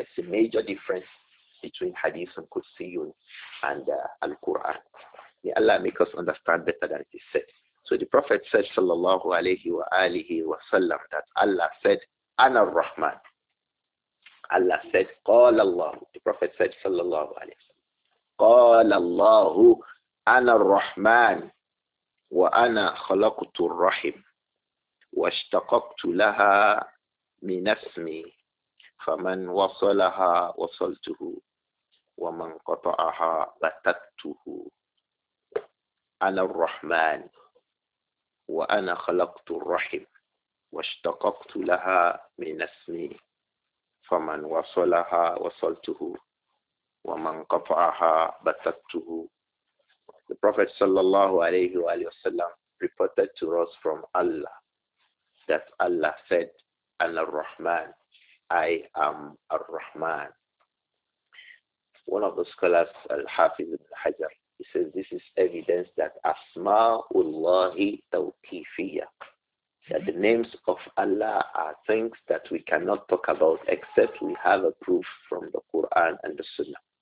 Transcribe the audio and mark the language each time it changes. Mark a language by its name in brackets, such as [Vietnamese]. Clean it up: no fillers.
[English] That's a major difference between Hadith on Qudsiyun and Al-Quran. May Allah make us understand better than it is said. So the Prophet said, sallallahu alayhi wa alihi wa sallam, that Allah said, Ana Rahman. Allah said, [Arabic] قال الله. [English] The Prophet said, [Arabic] صلى الله عليه وسلم, قال الله أنا الرحمن وأنا خلقت الرحم واشتققت لها من اسمي فمن وصلها وصلته ومن قطعها بتته أنا الرحمن وأنا خلقت الرحم واشتققت لها من اسمي فَمَنْ وَصَلَهَا وَصَلْتُهُ وَمَنْ قَطَعَهَا بَتَتُهُ. [English] The Prophet sallallahu alayhi wa sallam reported to us from Allah that Allah said, Ana Rahman, I am Ar-Rahman. One of the scholars, Al-Hafiz al-Hajar, he says this is evidence that Asma'ullahi Tawqifiyya, that the names of Allah are things that we cannot talk about except we have a proof from the Quran and the Sunnah.